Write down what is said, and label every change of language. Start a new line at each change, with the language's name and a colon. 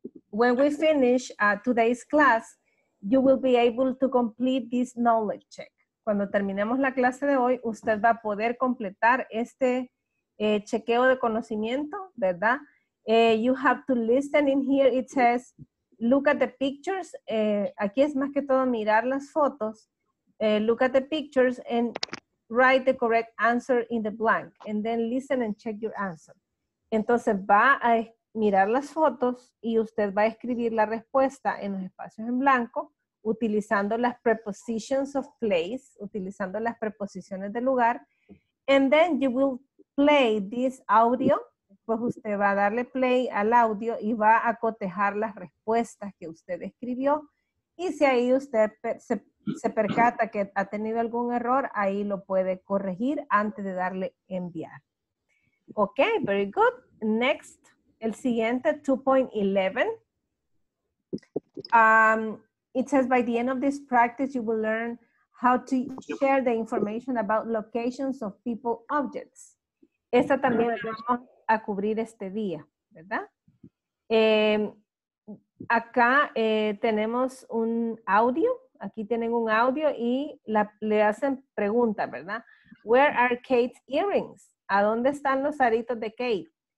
English: When we finish today's class, you will be able to complete this knowledge check.
Spanish: Cuando terminemos la clase de hoy, usted va a poder completar este chequeo de conocimiento, ¿verdad?
English: You have to listen in here. It says, look at the pictures.
Spanish: Aquí es más que todo mirar las fotos.
English: Look at the pictures and write the correct answer in the blank. And then listen and check your answer.
Spanish: Entonces va a mirar las fotos y usted va a escribir la respuesta en los espacios en blanco utilizando las
English: prepositions of place,
Spanish: utilizando las preposiciones de lugar.
English: And then you will play this audio.
Spanish: Pues usted va a darle play al audio y va a cotejar las respuestas que usted escribió. Y si ahí usted se percata que ha tenido algún error, ahí lo puede corregir antes de darle enviar.
English: Ok, very good. Next.
Spanish: El siguiente,
English: 2.11. It says, by the end of this practice, you will learn how to share the information about locations of people, objects.
Spanish: Esta también vamos a cubrir este día, ¿verdad? Acá tenemos un audio. Aquí tienen un audio y le hacen pregunta, ¿verdad?
English: Where are Kate's earrings?
Spanish: ¿A dónde están los aritos de Kate?